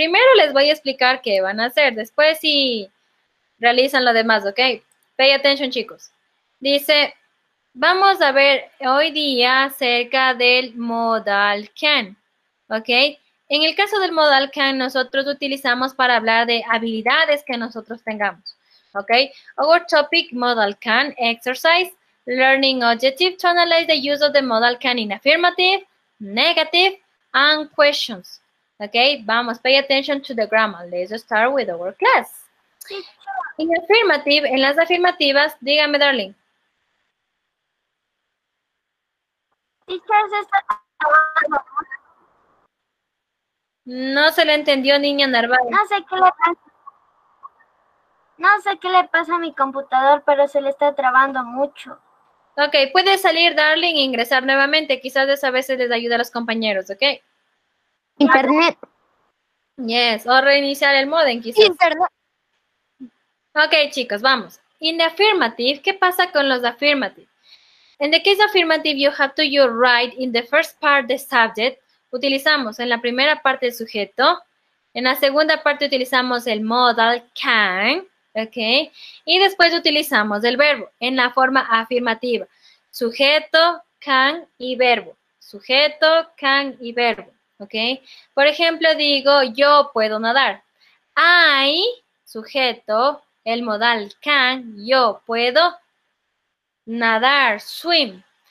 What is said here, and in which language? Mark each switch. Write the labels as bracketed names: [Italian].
[Spanish] Primero les voy a explicar qué van a hacer. Después sí realizan lo demás, ¿ok? [English] Pay attention, [Spanish] chicos. Dice... Vamos a ver hoy día acerca del modal can, ¿ok? En el caso del modal can, nosotros utilizamos para hablar de habilidades que nosotros tengamos, ¿ok? [English] Our topic, modal can, exercise, learning objective to analyze the use of the modal can in affirmative, negative, and questions, ¿ok? Vamos, pay attention to the grammar. Let's start with our class. In affirmative, [Spanish] en las afirmativas, dígame, darling. No se le entendió, niña Narváez. No sé qué le pasa a mi computador, pero se le está trabando mucho. Ok, puede salir, darling, e ingresar nuevamente. Quizás eso a veces les ayude a los compañeros, ¿ok? [English] Internet. [Spanish] Yes, o reiniciar el modem, quizás. [English] Internet. [Spanish] Ok, chicos, vamos. [English] In the affirmative, [Spanish] ¿qué pasa con los affirmative? [English] In the case of affirmative, you have to write in the first part the subject. [Spanish] Utilizamos en la primera parte el sujeto. En la segunda parte utilizamos el modal can, ¿ok? Y después utilizamos el verbo en la forma afirmativa. Sujeto, can y verbo. Sujeto, can y verbo, ¿ok? Por ejemplo, digo, yo puedo nadar. I, sujeto, el modal can, yo puedo nadar, swim.